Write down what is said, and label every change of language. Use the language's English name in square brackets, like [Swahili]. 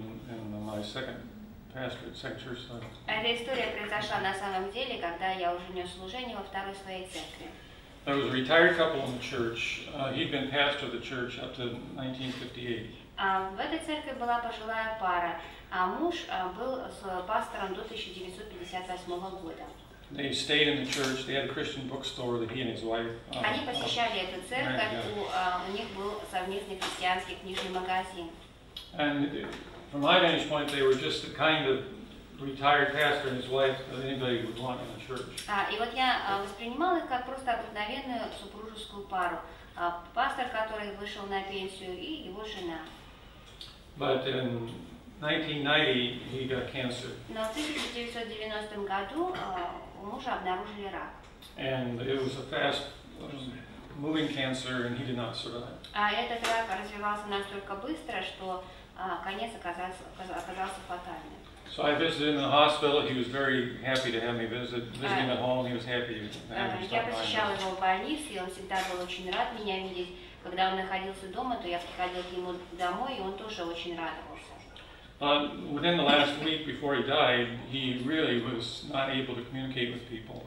[English] in my second pastorate, second church service. [Russian] Эта история произошла на самом деле, когда я уже нес служение во второй своей церкви. [English] There was a retired couple in the church. He'd been pastor of the church up to 1958. [Russian] В этой церкви была пожилая пара, а муж был пастором до 1958 года. [English] They stayed in the church. They had a Christian bookstore that he and his wife. [Russian] Они посещали эту церковь. У них был совместный христианский книжный магазин. [English] And from my vantage point, they were just the kind of retired pastor and his wife that anybody would want in the church. [Russian] И вот я воспринимал их как просто обыкновенную супружескую пару. Пастор, который вышел на пенсию, и его жена. [English] But in 1990, he got cancer. [Russian] Но в 1990 году мужа обнаружили рак. [English] And it was a fast moving cancer, and he did not survive. [Russian] Этот рак развивался настолько быстро, что конец оказался фатальным. [English] So I visited him in the hospital. He was very happy to have me visit. Visiting at home, he was happy to have me stop by. [Russian] Я посещал его в больнице, и он всегда был очень рад меня видеть. Когда он находился дома, то я приходил к нему домой, и он тоже очень радовался. [English] But within the last week before he died, he really was not able to communicate with people.